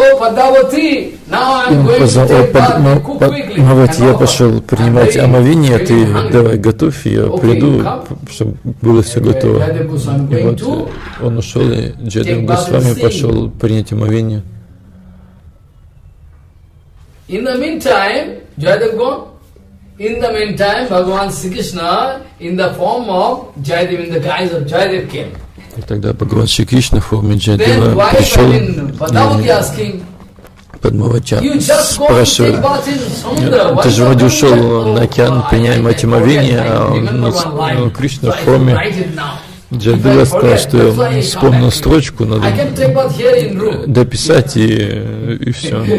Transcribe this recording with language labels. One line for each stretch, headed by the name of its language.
Russian: И он сказал, я пошел принимать омовение, ты давай готовь, я приду, чтобы было все готово. И вот он ушел, и Джайдев Госвами пошел принять омовение.
English: In the meantime, Jayadev gone. In the meantime, Bhagavan Sri Krishna, in the form of Jayadev, in the guise of Jayadev came.
Russian: И тогда Бхагаван Шри Кришна в форме Джайдева пришел. Падмавати спрашивает, ты же вроде ушел на океан, принимай мать омовение, а Кришна в форме Джайдева сказал, что я вспомнил строчку, надо дописать, и все.